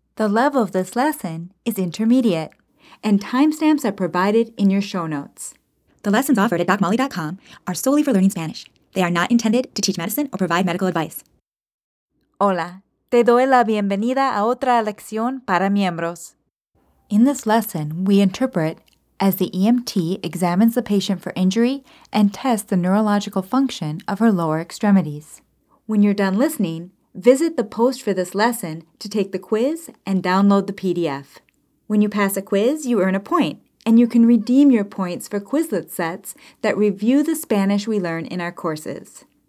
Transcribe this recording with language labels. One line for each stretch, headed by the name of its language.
English: The level of this lesson is intermediate, and timestamps are provided in your show notes. The lessons offered at DocMolly.com are solely for learning Spanish. They are not intended to teach medicine or provide medical advice.
Spanish: Hola, te doy la bienvenida a otra lección para miembros.
English: In this lesson, we interpret as the EMT examines the patient for injury and tests the neurological function of her lower extremities. When you're done listening, visit the post for this lesson to take the quiz and download the PDF. When you pass a quiz, you earn a point, and you can redeem your points for Quizlet sets that review the Spanish we learn in our courses.